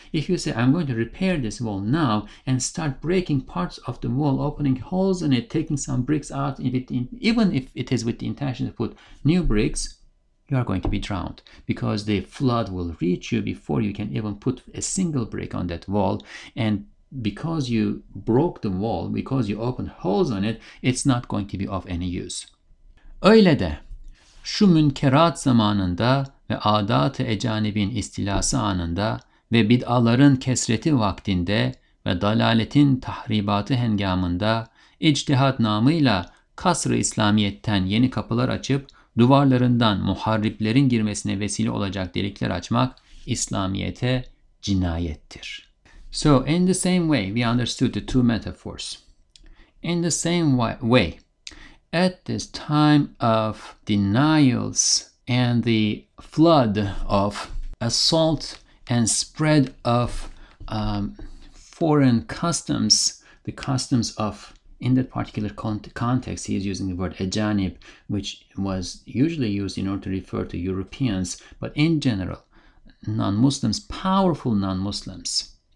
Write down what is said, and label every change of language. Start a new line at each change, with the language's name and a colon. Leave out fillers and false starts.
English: If you say, I'm going to repair this wall now and start breaking parts of the wall, opening holes in it, taking some bricks out, even if it is with the intention to put new bricks, you are going to be drowned because the flood will reach you before you can even put a single brick on that wall. And because you broke the wall, because you opened holes on it, it's not going to be of any use.
Turkish: Öyle de şu münkerat zamanında ve adat-ı ecanibin istilası anında ve bid'aların kesreti vaktinde ve dalaletin tahribatı hengamında içtihat namıyla kasr-ı İslamiyet'ten yeni kapılar açıp duvarlarından muhariplerin girmesine vesile olacak delikler açmak İslamiyet'e cinayettir.
English: So in the same way, we understood the two metaphors. In the same way, at this time of denials and the flood of assault and spread of foreign customs, the customs of, in that particular context, he is using the word ajanib, which was usually used in order to refer to Europeans, but in general, non-Muslims, powerful non-Muslims.